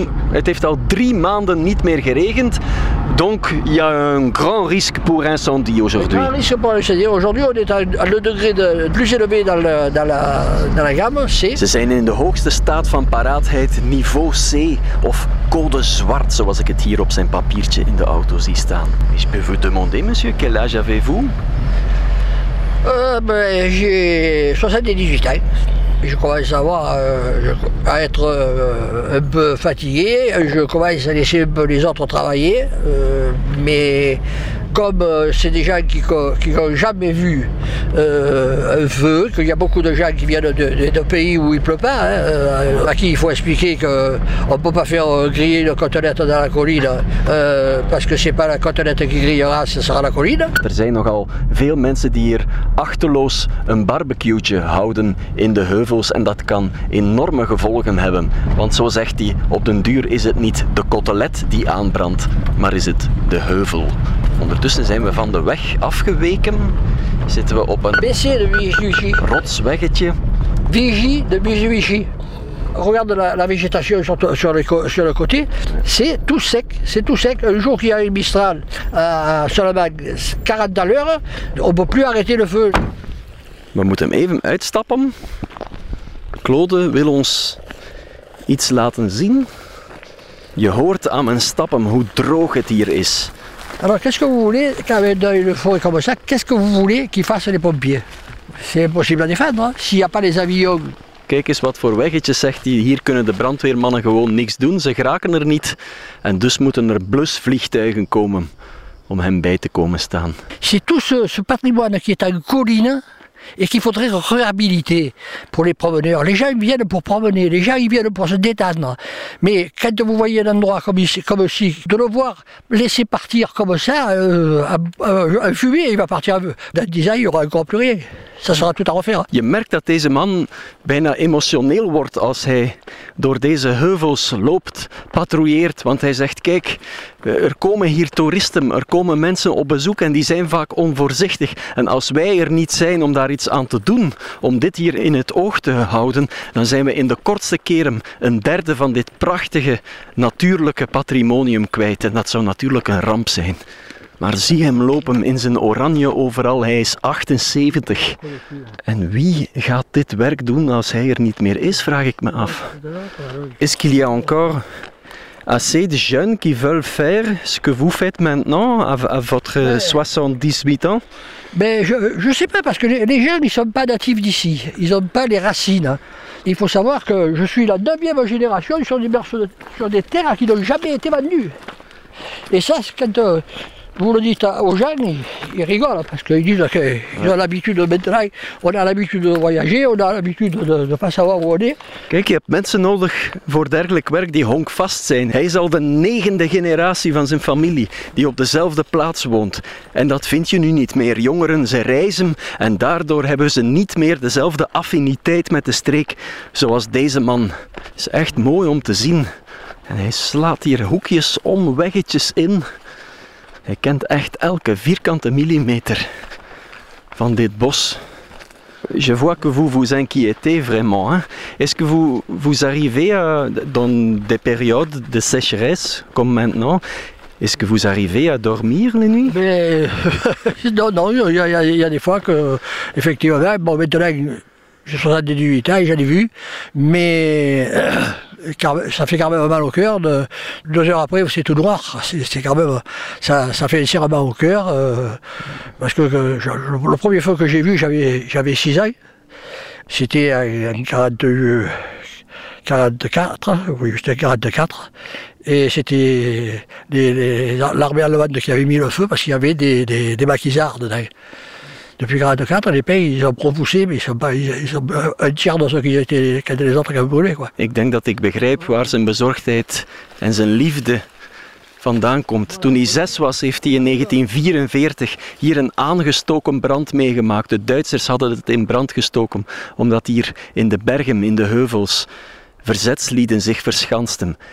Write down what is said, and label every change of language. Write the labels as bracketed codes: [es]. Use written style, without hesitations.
[nl] Het heeft al 3 maanden niet meer geregend. [fr] Donc, il y a un grand risque pour incendie aujourd'hui. Un grand risque pour incendie. Aujourd'hui, on est à le degré de plus élevé dans la gamme C. [nl] Ze zijn in de hoogste staat van paraatheid, niveau C, of code zwart, zoals ik het hier op zijn papiertje in de auto zie staan. [fr] Et je peux vous demander, monsieur, quel âge avez-vous? J'ai 78 ans. Je commence à avoir, à être un peu fatigué, je commence à laisser un peu les autres travailler, mais comme c'est des gens qui n'ont jamais vu un feu, qu'il y a beaucoup de gens qui viennent de pays où il ne pleut pas, hein, à qui il faut expliquer qu'on ne peut pas faire griller une côtelette dans la colline, parce que ce n'est pas la côtelette qui grillera, ce sera la colline. [nl] Er zijn nogal veel mensen die hier achterloos een barbecue houden in de heuvels en dat kan enorme gevolgen hebben. Want zo zegt hij, op den duur is het niet de kotelet die aanbrandt, maar is het de heuvel. Ondertussen zijn we van de weg afgeweken. Zitten we op een rotsweggetje. Vigie de Mitsubishi. [fr] Regarde la végétation sur le côté. C'est tout sec. Un jour qu'il y a une Mistral à seulement 40 à l'heure, on ne peut plus arrêter le feu. [nl] We moeten even uitstappen. Claude wil ons iets laten zien. Je hoort aan mijn stappen hoe droog het hier is. [fr] Alors qu'est-ce que vous voulez quand on a une forêt comme ça, qu'est-ce que vous voulez qu'ils fassent les pompiers? C'est impossible à défendre, hein, s'il n'y a pas les avions. [nl] Kijk eens wat voor weggetjes, zegt hij. Hier kunnen de brandweermannen gewoon niks doen. Ze geraken er niet. En dus moeten er blusvliegtuigen komen om hem bij te komen staan. [fr] C'est tout ce patrimoine qui est en colline. Et qu'il faudrait réhabiliter pour les promeneurs. Les gens viennent pour promener, les gens viennent pour se détendre. Mais quand vous voyez un endroit comme ici, de le voir laisser partir comme ça, un fumier, il va partir. Dans 10 ans, il n'y aura encore plus rien. Ça sera tout à refaire. [nl] Je merkt dat deze man bijna émotionneel wordt als hij door deze heuvels loopt, patrouilleert. Want hij zegt, kijk, er komen hier toeristen, er komen mensen op bezoek en die zijn vaak onvoorzichtig. En als wij er niet zijn om daar iets aan te doen, om dit hier in het oog te houden, dan zijn we in de kortste keren een derde van dit prachtige natuurlijke patrimonium kwijt. En dat zou natuurlijk een ramp zijn. Maar zie hem lopen in zijn oranje overal. Hij is 78. En wie gaat dit werk doen als hij er niet meer is, vraag ik me af. [fr] Est-ce qu'il y a encore assez de jeunes qui veulent faire ce que vous faites maintenant à votre 78 ans? Mais je sais pas, parce que les jeunes, ils sont pas natifs d'ici. Ils ont pas les racines. Il faut savoir que je suis la 9e génération sur des terres qui n'ont jamais été vendues. Et ça, c'est quand... Vous le dites aux jeunes, ils rigolent parce qu'ils disent qu'ils ont l'habitude de maintenant, on a l'habitude de voyager, on a l'habitude de ne pas savoir où on est. [nl] Kijk, je hebt mensen nodig voor dergelijk werk die honkvast zijn. Hij is al de 9e generatie van zijn familie die op dezelfde plaats woont. En dat vind je nu niet meer. Jongeren, ze reizen en daardoor hebben ze niet meer dezelfde affiniteit met de streek zoals deze man. Het is echt mooi om te zien. En hij slaat hier hoekjes om, weggetjes in. Hij kent echt elke vierkante millimeter van dit bos. [fr] Je vois que vous vous inquiétez vraiment. Hein? Est-ce que vous arrivez dans des périodes de sécheresse comme maintenant? Est-ce que vous arrivez à dormir les nuits? Mais... non, il y a des fois que, effectivement, bon, maintenant, je suis à 18 ans, j'en ai vu, mais. Ça fait quand même mal au cœur, 2 heures après c'est tout noir, c'est quand même, ça fait serrement au cœur, parce que le premier feu que j'ai vu, j'avais 6 ans, c'était en 48, grade 4, oui, j'étais grade 4, et c'était l'armée allemande qui avait mis le feu parce qu'il y avait des maquisards dedans. Depuis grade 4, les pays, ils ont repoussé, mais ils sont un tiers de ce qu'ils étaient, les autres qui avaient brûlé, quoi. [nl] Ik denk dat ik begrijp waar zijn bezorgdheid en zijn liefde vandaan komt. Toen hij 6 was, heeft hij in 1944 hier een aangestoken brand meegemaakt. De Duitsers hadden het in brand gestoken, omdat hier in de bergen, in de heuvels, verzetslieden zich verschansten.